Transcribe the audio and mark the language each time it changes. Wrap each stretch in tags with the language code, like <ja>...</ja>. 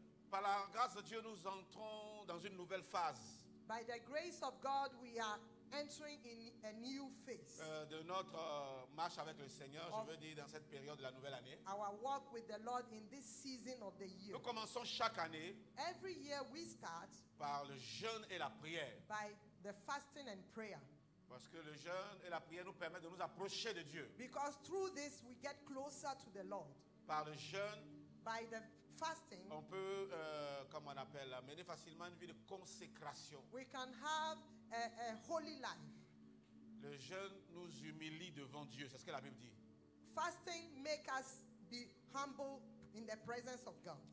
<fr>Par la grâce de Dieu, nous entrons dans une nouvelle phase.</fr> <en>By the grace of God, we are entering in a new phase.</en> <fr>De notre marche avec le Seigneur, je veux dire dans cette période de la nouvelle année.</fr> <en>Our walk with the Lord in this season of the year.</en> <fr>Nous commençons chaque année.</fr> <en>Every year we start.</en> <fr>Par le jeûne et la prière.</fr> <en>By the fasting and prayer.</en> <fr>Parce que le jeûne et la prière nous permettent de nous approcher de Dieu.</fr> <en>Because through this we get closer to the Lord.</en> <fr>Par le jeûne,</fr> <en>by the fasting,</en> <fr>on peut, comment on appelle, mener facilement une vie de consécration.</fr> <en>We can have a holy life.</en> <fr>Le jeûne nous humilie devant Dieu, c'est ce que la Bible dit.</fr> <en>Fasting make us be humble in the presence of God.</en>